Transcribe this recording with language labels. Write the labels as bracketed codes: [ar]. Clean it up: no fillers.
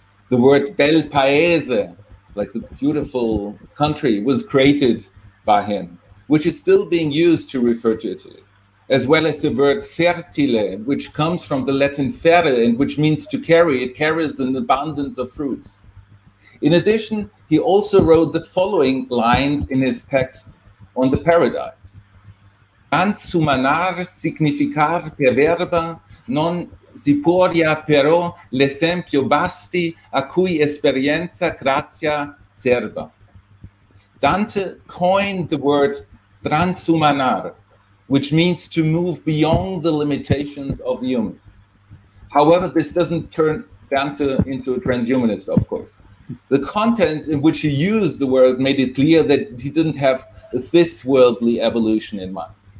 [en] The word bel paese, like the beautiful country, was created by him, which is still being used to refer to Italy, as well as the word fertile, which comes from the Latin fere, and which means to carry. It carries an abundance of fruits. In addition, he also wrote the following lines in his text on the paradise. [it] Transhumanar significar per verba non siporia però l'esempio basti a cui esperienza grazia serva. [en] Dante coined the word transhumanar, which means to move beyond the limitations of the human. However, this doesn't turn Dante into a transhumanist, of course. The content in which he used the word made it clear that he didn't have this worldly evolution in mind.